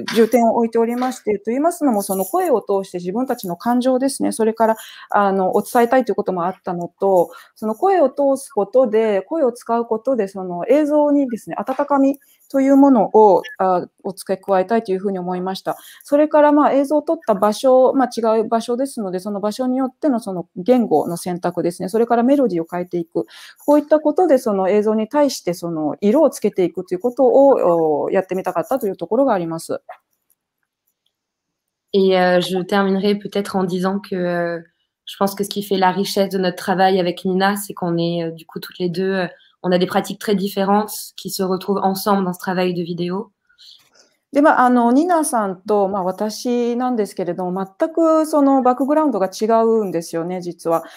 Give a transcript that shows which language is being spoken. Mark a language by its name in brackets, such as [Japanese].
[Japanese] 点を置いておりまして、と言いますのもその声を通して自分たちの感情ですね、それからお伝えたいということもあったのと、その声を通すことで、声を使うことでその映像にですね温かみというものをお付け加えたいというふうに思いました。それからまあ映像を撮った場所、まあ、違う場所ですのでその場所によってのその言語の選択ですね。それからメロディーを変えていく、こういったことでその映像に対してその色をつけていくということをやってみたかったというところがあります。 [French] Et je terminerai peut-être en disant que je pense que ce qui fait la richesse de notre travail avec Nina, c'est qu'on est du coup toutes les deux, on a des pratiques très différentes qui se retrouvent ensemble dans ce travail de vidéo. [Japanese] で、まあ、ニナさんと、まあ、私なんですけれども、全くそのバックグラウンドが違うんですよね、実は。